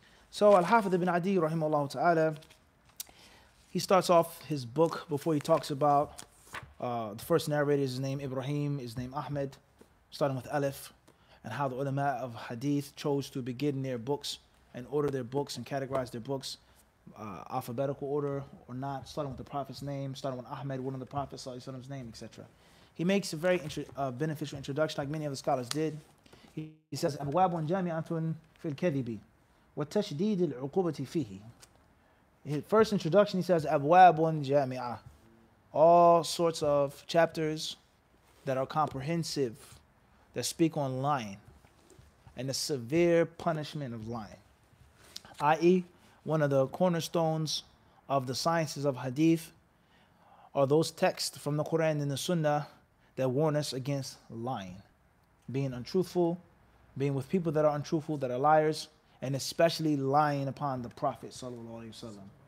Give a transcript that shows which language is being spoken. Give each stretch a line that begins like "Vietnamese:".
English: So Al-Hafidh ibn Adi, rahimahullah ta'ala, he starts off his book before he talks about the first narrator, his name Ibrahim, his name Ahmed, starting with Alif, and how the ulama of hadith chose to begin their books and order their books and categorize their books alphabetical order or not, starting with the Prophet's name, starting with Ahmed, one of the Prophet's name, etc. He makes a very beneficial introduction, like many of the scholars did. He says,
Arabic: أَبْوَابٌ جَامِعَةٌ فِي الْكَذِبِ وَتَشْدِيدِ الْعُقُوبَةِ فِيهِ.
English: His first introduction, he says,
Arabic: أَبْوَابٌ جَامِعَةٌ,
English: all sorts of chapters that are comprehensive, that speak on lying and the severe punishment of lying, i.e. one of the cornerstones of the sciences of hadith are those texts from the Quran and the Sunnah that warn us against lying, being untruthful, being with people that are untruthful, that are liars, and especially lying upon the Prophet sallallahu alaihi wasallam.